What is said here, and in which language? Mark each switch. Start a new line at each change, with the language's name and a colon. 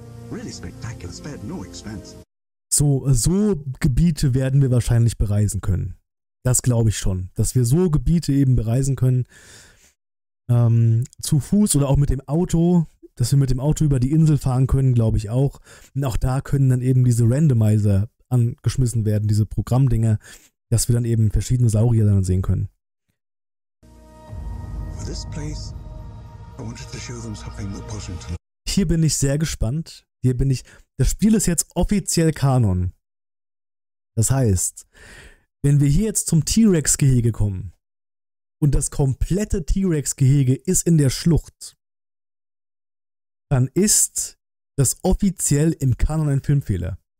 English: Really spectacular, spared no expense.
German: So Gebiete werden wir wahrscheinlich bereisen können. Das glaube ich schon, dass wir so Gebiete eben bereisen können. Zu Fuß oder auch mit dem Auto, dass wir mit dem Auto über die Insel fahren können, glaube ich auch. Und auch da können dann eben diese Randomizer angeschmissen werden, diese Programmdinger, dass wir dann eben verschiedene Saurier dann sehen können.
English: For this place, I wanted to show them something that wasn't.
German: Hier bin ich sehr gespannt. Hier bin ich. Das Spiel ist jetzt offiziell Kanon. Das heißt, wenn wir hier jetzt zum T-Rex-Gehege kommen, und das komplette T-Rex-Gehege ist in der Schlucht, dann ist das offiziell im Kanon ein Filmfehler.